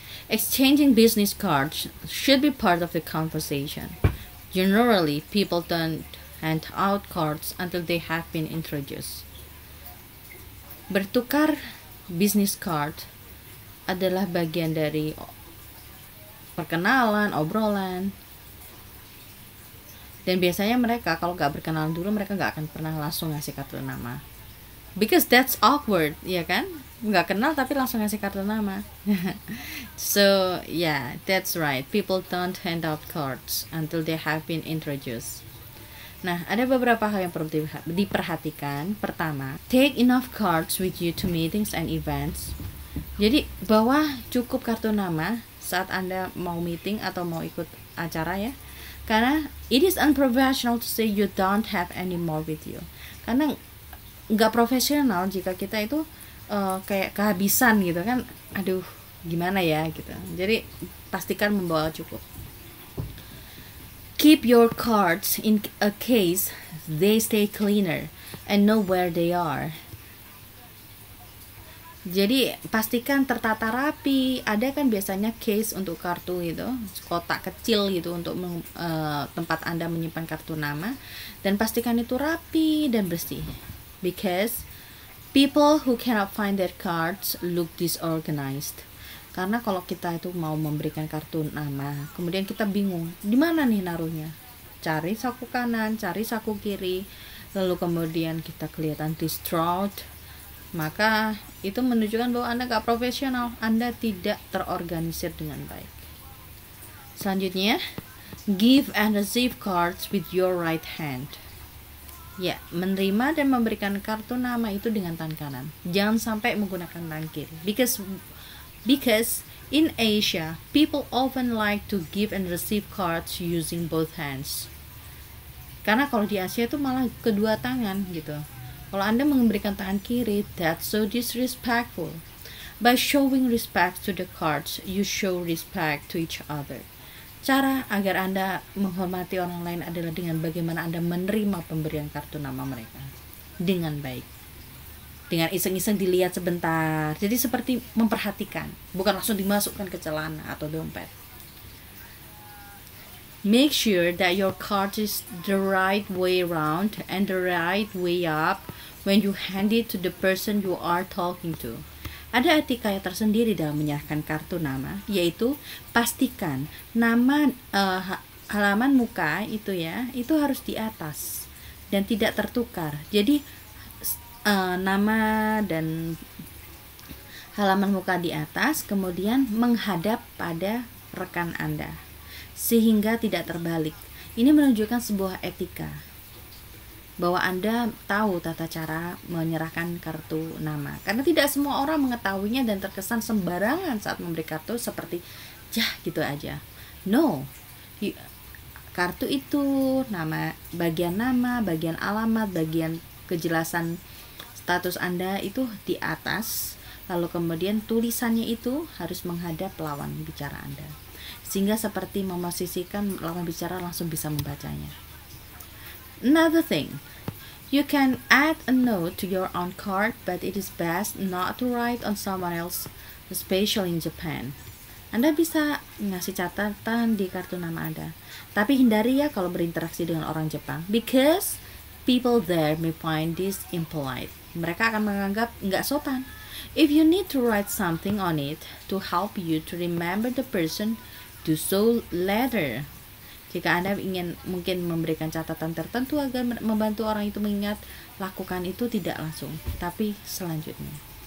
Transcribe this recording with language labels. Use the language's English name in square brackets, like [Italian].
[English] Exchanging business cards should be part of the conversation. Generally, people don't hand out cards until they have been introduced. [Indonesian] Bertukar business card adalah bagian dari perkenalan, obrolan. Dan biasanya mereka kalau gak berkenalan dulu, mereka gak akan pernah langsung ngasih kartu nama. [English] Because that's awkward, [Indonesian] ya kan? Gak kenal tapi langsung ngasih kartu nama. [English] So, yeah, that's right. People don't hand out cards until they have been introduced. [Indonesian] Nah, ada beberapa hal yang perlu diperhatikan. Pertama, [English] take enough cards with you to meetings and events. [Indonesian] Jadi, bawa cukup kartu nama saat Anda mau meeting atau mau ikut acara ya. Karena [English] it is unprofessional to say you don't have any more with you. [Indonesian] Karena gak profesional jika kita itu kayak kehabisan gitu kan. Aduh, gimana ya gitu. Jadi pastikan membawa cukup. [English] Keep your cards in a case they stay cleaner and know where they are. [Indonesian] Jadi pastikan tertata rapi. Ada kan biasanya case untuk kartu itu, kotak kecil gitu untuk tempat Anda menyimpan kartu nama. Dan pastikan itu rapi dan bersih. [English] Because people who cannot find their cards look disorganized. [Indonesian] Karena kalau kita itu mau memberikan kartu nama, kemudian kita bingung, di mana nih naruhnya? Cari saku kanan, cari saku kiri, lalu kemudian kita kelihatan distraught. Maka itu menunjukkan bahwa Anda gak profesional, Anda tidak terorganisir dengan baik. Selanjutnya, [English] give and receive cards with your right hand. [Indonesian] Ya, menerima dan memberikan kartu nama itu dengan tangan kanan. Jangan sampai menggunakan tangan kiri. [English] Because in Asia, people often like to give and receive cards using both hands. [Indonesian] Karena kalau di Asia itu malah kedua tangan gitu. Kalau Anda memberikan tangan kiri, [English] that's so disrespectful. By showing respect to the cards, you show respect to each other. [Indonesian] Cara agar Anda menghormati orang lain adalah dengan bagaimana Anda menerima pemberian kartu nama mereka dengan baik. Dengan iseng-iseng dilihat sebentar. Jadi seperti memperhatikan, bukan langsung dimasukkan ke celana atau dompet. [English] Make sure that your card is the right way around and the right way up when you hand it to the person you are talking to. [Indonesian] Ada etika yang tersendiri dalam menyerahkan kartu nama, yaitu pastikan nama halaman muka itu ya, itu harus di atas dan tidak tertukar. Jadi nama dan halaman muka di atas, kemudian menghadap pada rekan Anda. Sehingga tidak terbalik. Ini menunjukkan sebuah etika bahwa Anda tahu tata cara menyerahkan kartu nama. Karena tidak semua orang mengetahuinya dan terkesan sembarangan saat memberi kartu seperti jah gitu aja. No. Kartu itu nama, bagian alamat, bagian kejelasan status Anda itu di atas. Lalu kemudian tulisannya itu harus menghadap lawan bicara Anda. Sehingga seperti memosisikan lawan bicara langsung bisa membacanya. [English] Another thing, you can add a note to your own card, but it is best not to write on someone else, especially in Japan. [Indonesian] Anda bisa ngasih catatan di kartu nama Anda, tapi hindari ya kalau berinteraksi dengan orang Jepang, [English] because people there may find this impolite. [Indonesian] Mereka akan menganggap nggak sopan. [English] If you need to write something on it to help you to remember the person, do so later. [Indonesian] Jika Anda ingin mungkin memberikan catatan tertentu agar membantu orang itu mengingat, lakukan itu tidak langsung, tapi selanjutnya.